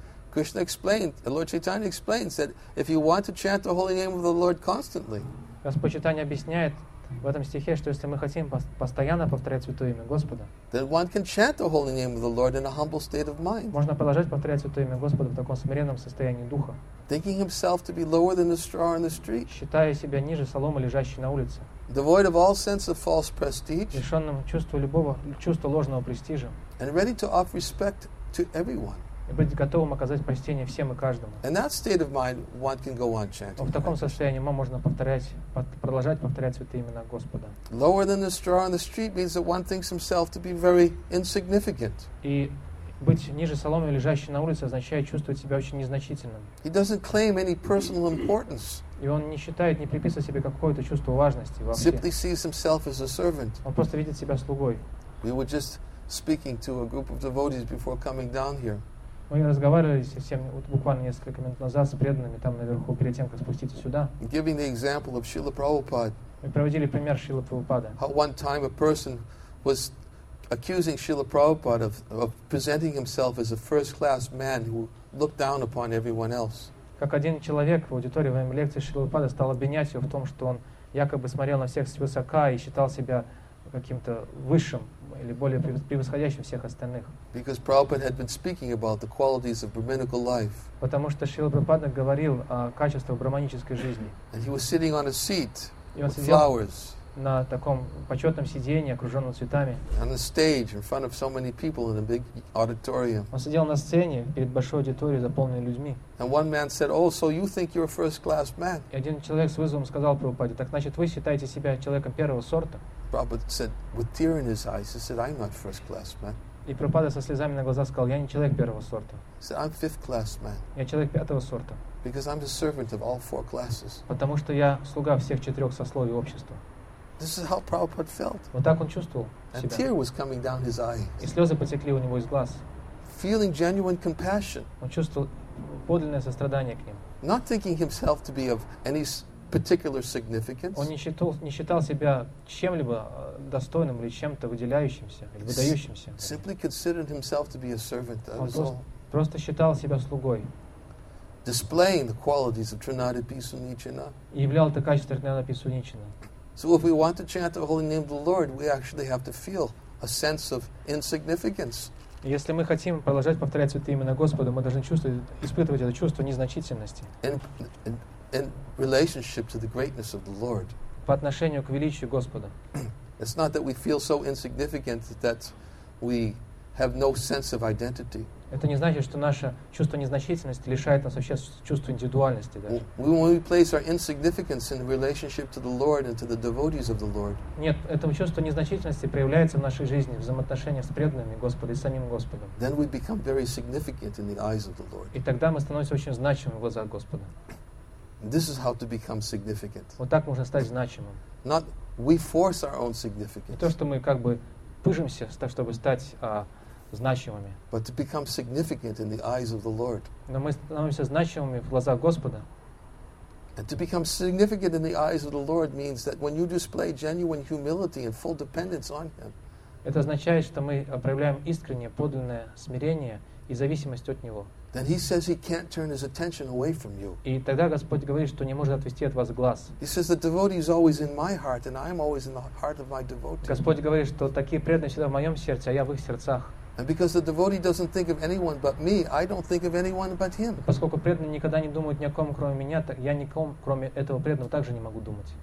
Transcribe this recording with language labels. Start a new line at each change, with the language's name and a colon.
English: Krishna explained, Lord Chaitanya explains that if you want to chant the holy name of the Lord constantly,
Russian: Господь Чайтанья объясняет в этом стихе, что если мы хотим постоянно повторять святое имя Господа,
English: then one can chant the holy name of the Lord in a humble state of mind.
Russian: Можно продолжать повторять святое имя Господа в таком смиренном состоянии духа.
English: Thinking himself to be lower than the straw in the street.
Russian: Считая себя ниже соломы, лежащей на улице.
English: Devoid of all sense of false prestige.
Russian: Лишенным чувства ложного престижа.
English: And ready to offer respect to everyone.
Russian: И быть готовым оказать почтение всем и каждому.
English: In that state of mind, one can go on chanting.
Russian: В таком состоянии можно продолжать повторять святые имена Господа.
English: Lower than the straw on the street means that one thinks himself to be very insignificant.
Russian: И Быть ниже соломы, лежащей на улице, означает чувствовать себя очень незначительным.
English: He doesn't claim any personal importance.
Russian: И он не считает, не приписывает себе какое-то чувство важности вообще.
English: Simply sees himself as a servant.
Russian: Он просто видит себя слугой.
English: We were just speaking to a group of devotees before coming down here.
Russian: Мы разговаривали со всеми вот буквально несколько минут назад с преданными там наверху, перед тем, как спуститься сюда.
English: Giving the example of Srila Prabhupada.
Russian: Мы проводили пример Шрилы Прабхупады.
English: How one time a person was accusing Srila Prabhupada of presenting himself as a first-class man who looked down upon everyone else.
Russian: Как один человек в аудитории во время лекции Шрилы Прабхупады стал обвинять его в том, что он якобы смотрел на всех свысока и считал себя каким-то высшим или более превосходящим всех остальных.
English: Because Prabhupada had been speaking about the qualities of brahminical life.
Russian: Потому что Шрила Прабхупада говорил о качествах брахманической жизни.
English: And he was sitting on a seat with flowers.
Russian: На таком почетном сиденье, окруженном цветами.
English: On a stage in front of so many people in a big auditorium.
Russian: Он сидел на сцене перед большой аудиторией, заполненной людьми.
English: And one man said, "Oh, so you think you're a first-class man?"
Russian: И один человек с вызовом сказал Прабхупаде: "Так значит вы считаете себя человеком первого сорта?"
English: Prabhupada said, with tear in his eyes, he said, "I'm not first-class man."
Russian: И Прабхупада со слезами на глазах сказал: "Я не человек первого сорта."
English: He said, "I'm fifth-class man."
Russian: Я человек пятого сорта.
English: Because I'm the servant of all four classes.
Russian: Потому что я слуга всех четырех сословий общества.
English: This is how Prabhupada felt.
Russian: Вот так он чувствовал себя.
English: And tear was coming down his eyes.
Russian: И слезы потекли у него из глаз.
English: Feeling genuine compassion.
Russian: Он чувствовал подлинное сострадание к ним.
English: Not thinking himself to be of any particular significance.
Russian: Он не считал себя чем-либо достойным или чем-то выделяющимся или выдающимся.
English: Simply considered himself to be a servant.
Russian: Он просто считал себя слугой.
English: Displaying the qualities of Trinada Pisunichana.
Russian: И являл это качество Трината Писуничина.
English: So if we want to chant the holy name of the Lord, we actually have to feel a sense of insignificance.
Russian: Если мы хотим продолжать повторять святые имена Господа, мы должны чувствовать, испытывать это чувство незначительности.
English: In relationship to the greatness of the Lord.
Russian: По отношению к величию Господа.
English: It's not that we feel so insignificant that we have no sense of identity.
Russian: Это не значит, что наше чувство незначительности лишает нас вообще чувства индивидуальности. Даже.
English: When we place our insignificance in relationship to the Lord and to the devotees of the Lord.
Russian: Нет, это чувство незначительности проявляется в нашей жизни, в взаимоотношениях с преданными Господа и самим Господом.
English: Then we become very significant in the eyes of the Lord.
Russian: И тогда мы становимся очень значимыми в глазах Господа.
English: This is how to become significant.
Russian: Вот так можно стать значимым.
English: Not we force our own significance.
Russian: Не то, что мы как бы пыжимся, так, чтобы стать значимыми.
English: But to become significant in the eyes of the Lord.
Russian: Но мы становимся значимыми в глазах Господа.
English: And to become significant in the eyes of the Lord means that when you display genuine humility and full dependence on Him.
Russian: Это означает, что мы проявляем искреннее, подлинное смирение и зависимость от Него.
English: Then he says he can't turn his attention away from you.
Russian: И тогда Господь говорит, что не может отвести от вас глаз.
English: He says the devotee is always in my heart, and I am always in the heart of my devotee.
Russian: Господь говорит, что такие преданные всегда в моем сердце, а я в их сердцах.
English: And because the devotee doesn't think of anyone but me, I don't think of anyone but him.
Russian: Поскольку преданные никогда не думают ни о ком кроме меня, так я ни о ком кроме этого преданного также не могу думать.